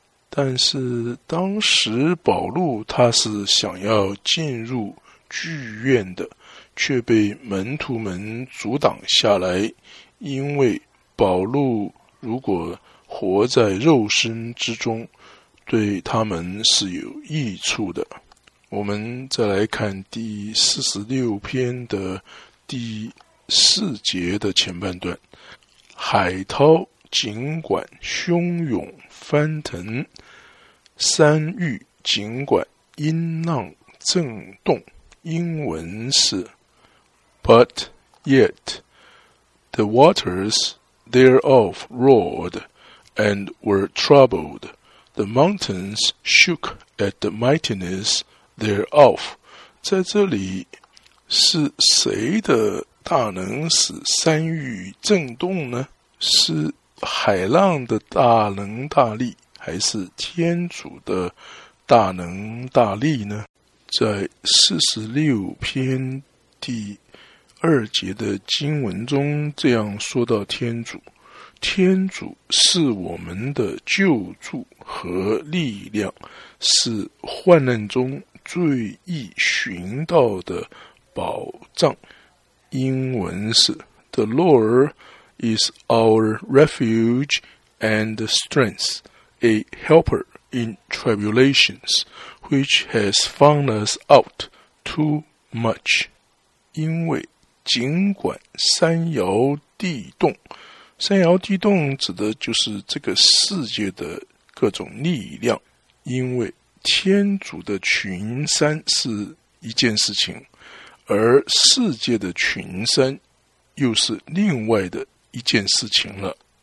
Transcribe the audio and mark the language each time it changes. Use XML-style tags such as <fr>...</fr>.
<zh>但是当时保禄他是想要进入剧院的，却被门徒们阻挡下来，因为保禄如果活在肉身之中，对他们是有益处的。我们再来看第46篇的第4节的前半段。海涛尽管汹涌翻腾，山域尽管音浪震动，英文是</zh> <en>But yet the waters thereof roared and were troubled, the mountains shook at the mightiness thereof。</en> <zh>在这里，是谁的大能使山域震动呢？是海浪的大能大力，还是天主的大能大力呢？在46篇第2节的经文中这样说到天主： 天主是我们的救助和力量，是患难中最易寻到的宝藏。英文是</zh> <en>The Lord is our refuge and strength, a helper in tribulations, which has found us out too much.</en> <zh>因为尽管山摇地动，山摇地动指的就是这个世界的各种力量，因为天主的群山是一件事情，而世界的群山又是另外的一件事情了。</zh>